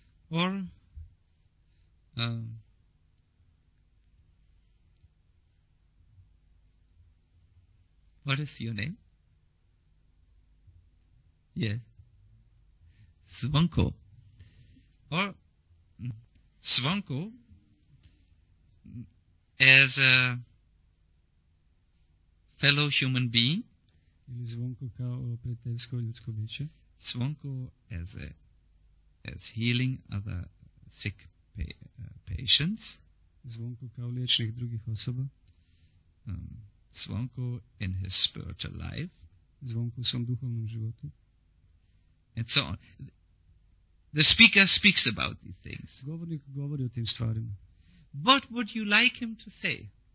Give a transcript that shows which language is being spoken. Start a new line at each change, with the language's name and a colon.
English: Or what is your name? Yes. Svanko. Or Svanko as a fellow human being.
Croatian: Ili Zvonko kao prijateljsko ljudsko biće.
English: Zvonko as healing other sick patients.
Croatian: Zvonko kao liječnik drugih osoba.
English: Zvonko in his spiritual life.
Croatian: Zvonko u svom duhovnom životu.
English: And so on. The speaker speaks about these things.
Croatian: Govornik govori o tim stvarima.
English: What would you like him to say?